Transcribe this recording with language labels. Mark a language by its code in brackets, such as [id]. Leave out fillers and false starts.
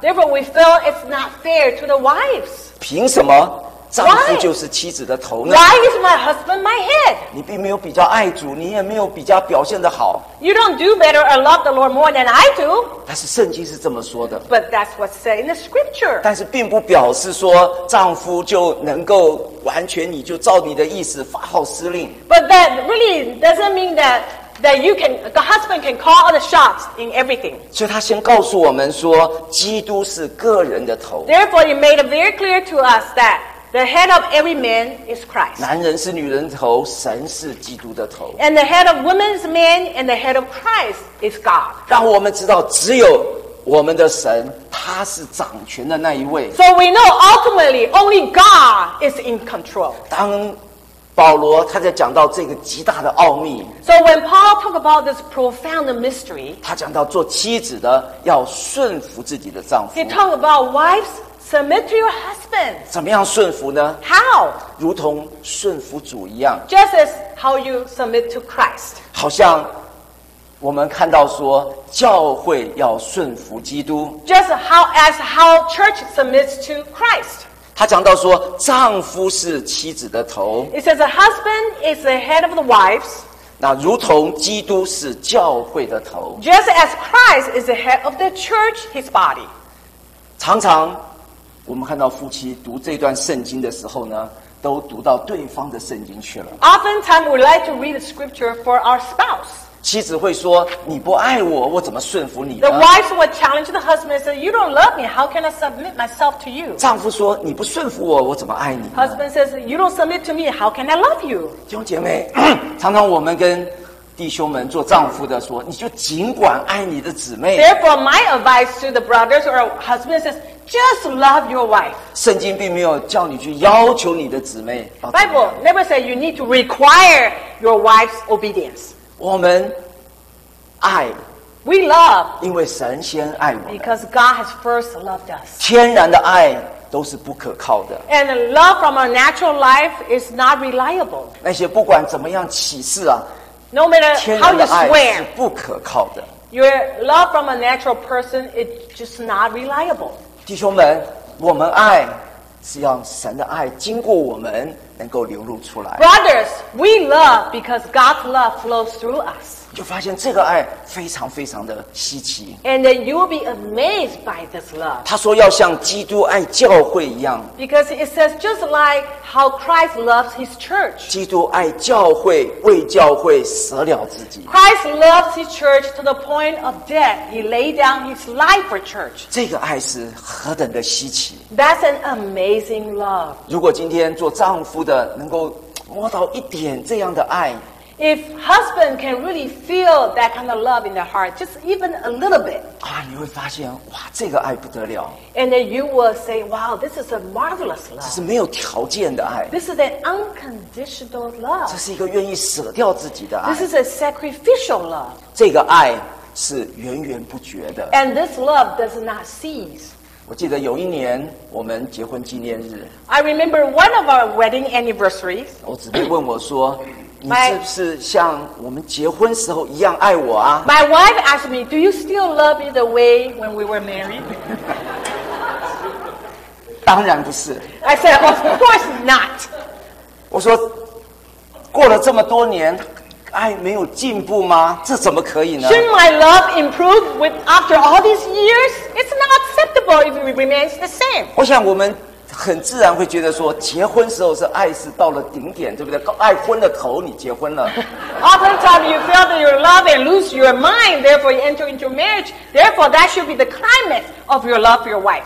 [en] Therefore we feel it's not fair to the wives. [zh] 凭什么丈夫就是妻子的头呢？ [en] Why is my husband my head? [zh] 你并没有比较爱主，你也没有比较表现得好。 [en] You don't do better or love the Lord more than I do. [zh] 但是圣经是这么说的。 [en] But that's what's said in the scripture. [zh] 但是并不表示说丈夫就能够完全你就照你的意思发号施令。 [en] But that really doesn't mean that you can, the husband can call all the shots in everything. [zh] 所以他先告诉我们说，基督是个人的头。 [en] Therefore, he made it very clear to us that the head of every man is Christ. [zh] 男人是女人头，神是基督的头。 [en] And the head of woman is man, and the head of Christ is God. [zh] 让我们知道，只有我们的神，他是掌权的那一位。 [en] So we know ultimately only God is in control. [zh] 当保罗他在讲到这个极大的奥秘。 [en] So when Paul talked about this profound mystery, [zh] 他讲到做妻子的要顺服自己的丈夫。 [en] He talked about wives submit to your husband. [zh] 怎么样顺服呢？ [en] How? [zh] 如同顺服主一样。 [en] Just as how you submit to Christ. [zh] 好像我们看到说教会要顺服基督。 [en] Just how as how church submits to Christ. [zh] 他讲到说丈夫是妻子的头。 [en] It says a husband is the head of the wives. [zh] 那如同基督是教会的头。 [en] Just as Christ is the head of the church, his body. [zh] 常常我们看到夫妻读这段圣经的时候呢，都读到对方的圣经去了。 [en] Oftentimes we like to read the scripture for our spouse. [zh] 妻子会说，你不爱我，我怎么顺服你呢？ [en] The wife would challenge the husband and say, you don't love me, how can I submit myself to you? [zh] 丈夫说，你不顺服我，我怎么爱你呢？ [en] Husband says, you don't submit to me, how can I love you? [zh] 弟兄姐妹，常常我们跟弟兄们做丈夫的说，你就尽管爱你的姊妹。 [en] Therefore, my advice to the brothers or husbands is just love your wife. [zh] 圣经并没有叫你去要求你的姊妹。 [en] Bible never said you need to require your wife's obedience. [zh] 我们爱。 [en] We love. [zh] 因为神先爱我们。 [en] Because God has first loved us. [zh] 天然的爱都是不可靠的。 [en] And love from our natural life is not reliable. [zh] 那些不管怎么样起誓啊。 [en] No matter how you swear, your love from a natural person is just not reliable. [zh] 弟兄们，我们爱是让神的爱经过我们，能够流露出来。 [en] Brothers, we love because God's love flows through us. [zh] 就发现这个爱非常非常的稀奇。 [en] And then you will be amazed by this love. [zh] 他说要像基督爱教会一样。 [en] Because it says just like how Christ loves his church. [zh] 基督爱教会，为教会舍了自己。 [en] Christ loves his church to the point of death. He laid down his life for church. [zh] 这个爱是何等的稀奇。 [en] That's an amazing love. [zh] 如果今天做丈夫的能够摸到一点这样的爱。 [en] If husband can really feel that kind of love in their heart, just even a little bit. [zh] 啊，你会发现，哇，这个爱不得了。 [en] And then you will say, wow, this is a marvelous love. [zh] 这是没有条件的爱。 [en] This is an unconditional love. [zh] 这是一个愿意舍掉自己的爱。 [en] This is a sacrificial love. [zh] 这个爱是源源不绝的。 [en] And this love does not cease. [zh] 我记得有一年我们结婚纪念日。 [en] I remember one of our wedding anniversaries. [zh] 我姊妹问我说。你是不是像我们结婚时候一样爱我啊 [en] ？My wife asked me, "Do you still love me the way when we were married?" [zh] 当然不是。 [en] I said, "Of course not." [zh] 我说，过了这么多年，爱没有进步吗？这怎么可以呢 [en] ？Shouldn't my love improve with after all these years? It's not acceptable if it remains the same. [zh] 我想我们。很自然会觉得说，结婚时候是爱是到了顶点，对不对？爱昏了头，你结婚了。 [en] Oftentimes you feel that your love and lose your mind, therefore you enter into marriage. Therefore, that should be the climax of your love for your wife.